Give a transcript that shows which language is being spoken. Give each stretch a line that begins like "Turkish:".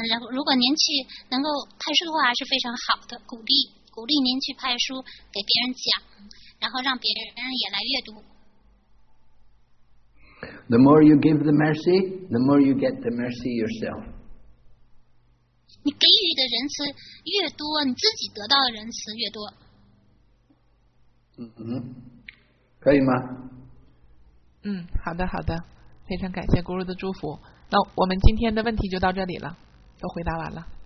Chinese: 如果您去能够派书的话，是非常好的，鼓励您去派书给别人讲，然后让别人也来阅读。
English: The more you give the mercy, the more you get the mercy yourself.
Chinese: 你给予的仁慈越多，你自己得到的仁慈越多。可以吗？好的好的，非常感谢 Guru 的祝福。那我们今天的问题就到这里了，都回答完了。